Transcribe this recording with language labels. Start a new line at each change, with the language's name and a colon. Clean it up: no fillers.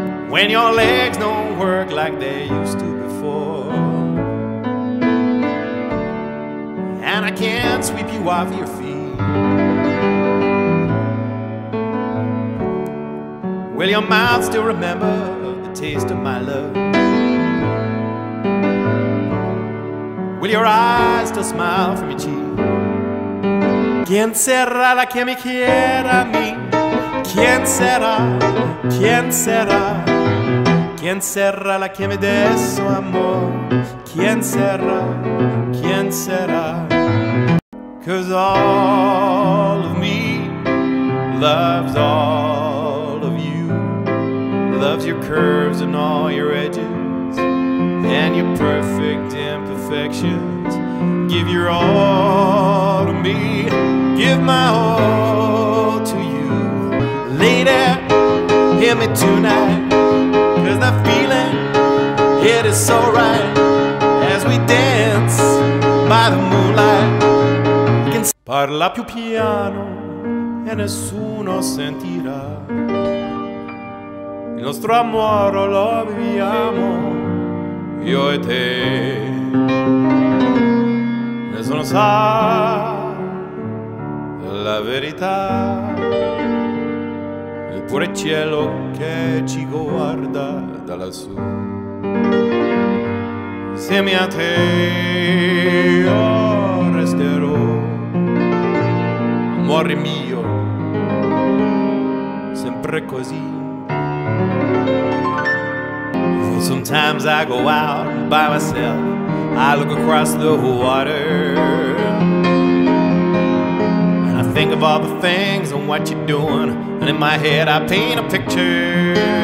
English: When your legs don't work like they used to before, and I can't sweep you off your feet, will your mouth still remember the taste of my love? Will your eyes still smile from your cheek?
Spanish: ¿Quién será la que me quiera a mí? ¿Quién será? ¿Quién será? ¿Quién será la que me dé su amor? ¿Quién será? ¿Quién será?
English: 'Cause all of me loves all of you. Loves your curves and all your edges and your perfect imperfections. Give your all to me, give my all to you. Lady, hear me tonight, 'cause the feeling, it is so right. As we dance by the moonlight, I can
Italian: parla più piano e nessuno sentirà. Il nostro amore lo viviamo, io e te. Nessuno sa la verità. pure cielo che ci guarda da lassù. Insieme a te io resterò, amore mio, sempre così.
English: Sometimes I go out by myself, I look across the water, and I think of all the things and what you're doing, and in my head I paint a picture.